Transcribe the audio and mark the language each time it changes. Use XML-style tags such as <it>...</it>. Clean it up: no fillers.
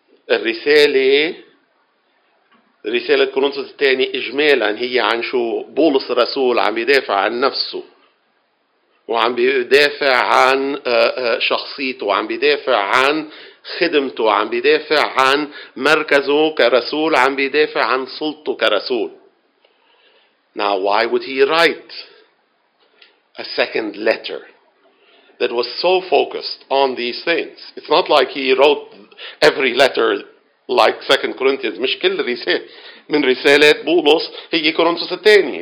<ar>الرسالة رسالة كورنثوس الثاني إجمالا هي عن شو بولس الرسول عم يدافع عن نفسه وعم بيدافع عن شخصيته وعم بيدافع عن خدمته عم بيدافع عن مركزه كرسول عم بيدافع عن سلطته كرسول.</ar> <en>Now why would he write a second letter that was so focused on these things? It's not like he wrote every letter like 2 Corinthians.</en> <ar>مش كل رسالة من رسالات بولس هي كورنثوس الثاني.</ar>